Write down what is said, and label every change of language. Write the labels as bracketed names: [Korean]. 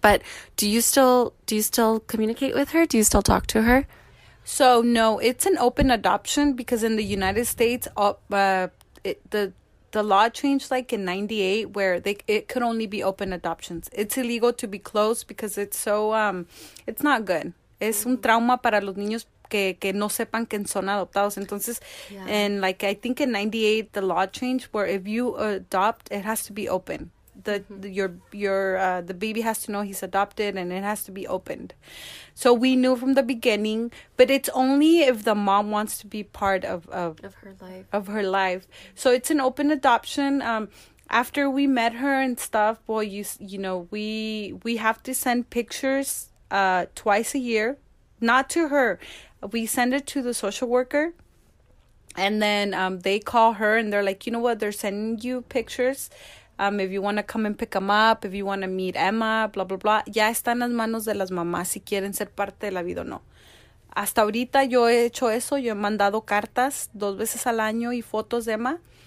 [English] But do you still communicate with her? Do you still talk to her? So, no, it's an open adoption, because in the United States, the law changed like in 98, where it could only be open adoptions. It's illegal to be closed, because it's so, it's not good. [Spanish] Es un trauma para los niños que no sepan que son adoptados. [English] Entonces, and like, I think in 98, the law changed where if you adopt, it has to be open. The baby has to know he's adopted, and it has to be opened. So we knew from the beginning, but it's only if the mom wants to be part of her life. So it's an open adoption. After we met her and stuff, well, you know, we have to send pictures twice a year, not to her. We send it to the social worker, And then they call her and they're like, you know what? They're sending you pictures. If you want to come and pick them up, if you want to meet Emma, blah, blah, blah. [Spanish] Ya están las manos de las mamás si quieren ser parte de la vida o no. Hasta ahorita yo he hecho eso. Yo he mandado cartas 2 veces al año y fotos de Emma.